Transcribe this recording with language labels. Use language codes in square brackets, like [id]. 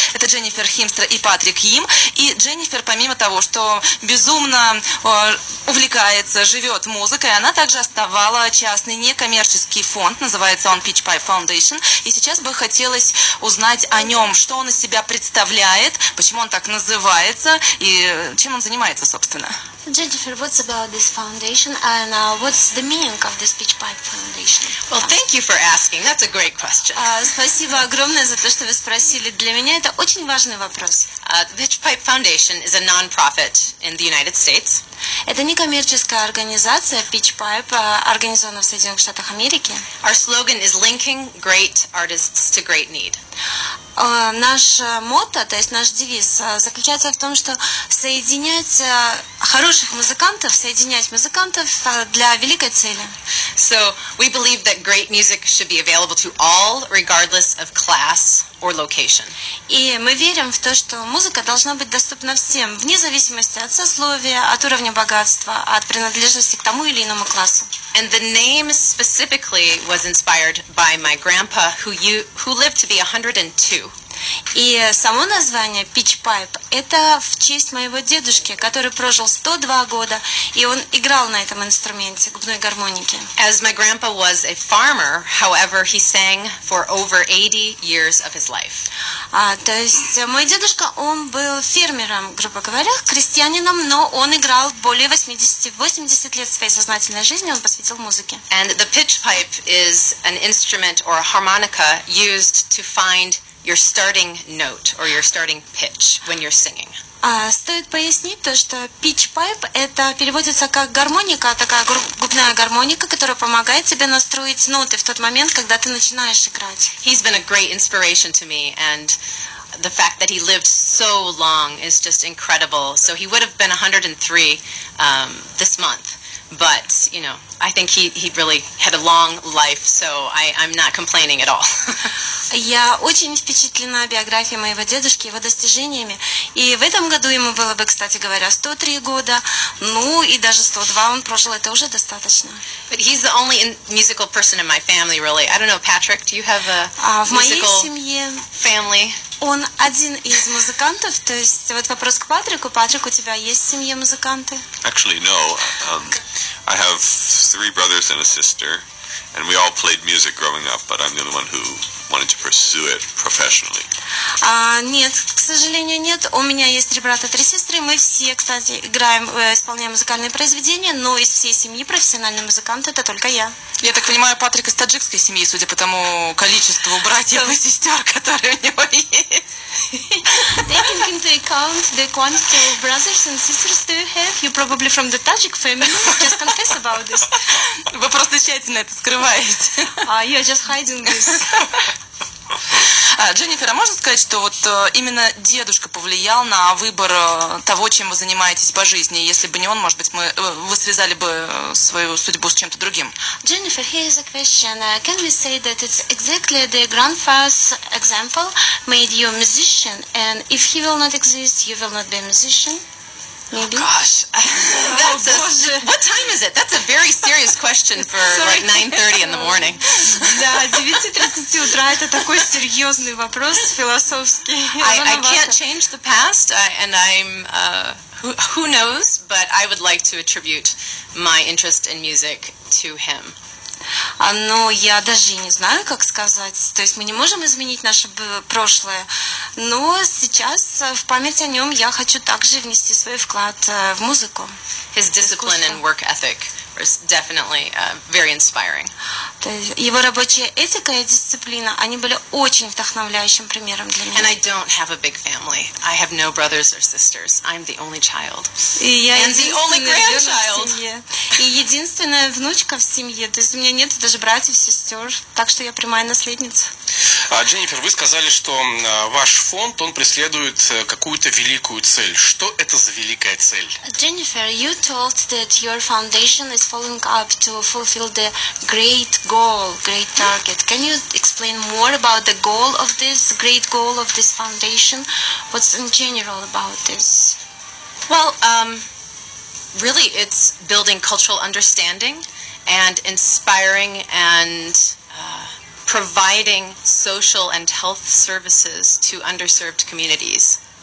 [ru] Это Дженнифер Химстра и Патрик Йим. И Дженнифер, помимо того, что безумно увлекается, живет музыкой, она также основала частный некоммерческий фонд. Называется он Peach Pie Foundation. И сейчас бы хотелось узнать о нем, что он из себя представляет, почему он так называется. И чем он занимается, собственно? [en] Jennifer, what's about this foundation and what's the meaning of the Speech Pipe Foundation? Well, thank you for asking. That's a great question. [ru] Спасибо огромное за то, что вы спросили. Для меня это очень важный вопрос. [en] Speech Pipe Foundation is a non-profit in the United States. [ru] Это некоммерческая организация Speech Pipe, организована в Соединенных Штатах Америки. [en] Our slogan is linking great artists to great need. [ru] Наш мотто, то есть наш девиз, заключается в том, что соединять хороших музыкантов, соединять музыкантов для великой цели. [en] So we believe that great music should be available to all, regardless of class or location. [ru] И мы верим в то, что музыка должна быть доступна всем, вне зависимости от сословия, от уровня богатства, от принадлежности к тому или иному классу. [en] And the name specifically was inspired by my grandpa, who lived to be 102. [ru] И само название Peach Pipe – это в честь моего дедушки, который прожил 102 года, и он играл на этом инструменте, губной гармонике. [en] As my grandpa was a farmer, however, he sang for over 80 years of his life. [ru] То есть мой дедушка, он был фермером, грубо говоря, крестьянином, но он играл более 80 лет своей сознательной жизни, он посвятил музыке. [en] And the pitch pipe is an instrument or a harmonica used to find your starting note or your starting pitch when you're singing. [ru] Стоит пояснить то, что pitch pipe это переводится как гармоника, такая губная гармоника, которая помогает тебе настроить ноты в тот момент, когда ты начинаешь играть. [en] He's been a great inspiration to me, and the fact that he lived so long is just incredible. So he would have been 103 this month. But, you know, I think he really had a long life, so I'm not complaining at all. [ru] Я очень впечатлена биографией моего дедушки, его достижениями. И в этом году ему было бы, кстати говоря, 103 года. Ну, и даже 102 он прожил, это уже достаточно. [en] But he's the only musical person in my family, really. I don't know, Patrick, do you have a musical family? [ru] Он один из музыкантов, то есть вот вопрос к Патрику. Патрик, у тебя есть в семье музыканты? [en] Actually, no. I have three brothers and a sister, and we all played music growing up, but I'm the only one who wanted to pursue it professionally. [ru] Нет, к сожалению, нет. У меня есть три брата, три сестры. Мы все, кстати, играем, исполняем музыкальные произведения, но из всей семьи профессиональный музыкант это только я. Я так понимаю, Патрик из таджикской семьи, судя по тому количеству братьев и сестер, которые у него есть. [en] Taking into account the quantity of brothers and sisters that you have, you're probably from the Tajik family. Just confess about this. [ru] Вы просто тщательно это скрываете. [en] You're just hiding this. [ru] Дженнифер, а можно сказать, что вот именно дедушка повлиял на выбор того, чем вы занимаетесь по жизни? Если бы не он, может быть, вы связали бы свою судьбу с чем-то другим? [en] Дженнифер, here is a question. Can we say that it's exactly the grandfather's example made you a musician? And if he will not exist, you will not be a musician? Maybe? Oh, gosh. That's what time is it? That's a very serious question for like 9:30 in the morning. [ru] Да, 9:30 утра это такой серьезный вопрос философский. [en] I can't change the past, and I'm who knows, but I would like to attribute my interest in music to him. [ru] Ну, я даже не знаю, как сказать. То есть мы не можем изменить наше прошлое. Но сейчас в память о нем я хочу также внести свой вклад в музыку. [en] His discipline and work ethic was definitely very inspiring. [ru] Его рабочая этика и дисциплина, они были очень вдохновляющим примером для меня. [en] And I don't have a big family. I have no brothers or sisters. I'm the only child. And the only grandchild. [ru] И единственная внучка в семье. То есть у меня нет даже братьев, сестер. Так что я прямая наследница. Дженнифер, вы сказали, что ваш фонд, он преследует какую-то великую цель. Что это за великая цель? [en] Дженнифер, you told that your foundation is following up to fulfill the great goal, great target. Can you explain more about the goal of this, great goal of this foundation? What's in general about this? Well, really it's building cultural understanding and inspiring and providing social and health services to underserved communities.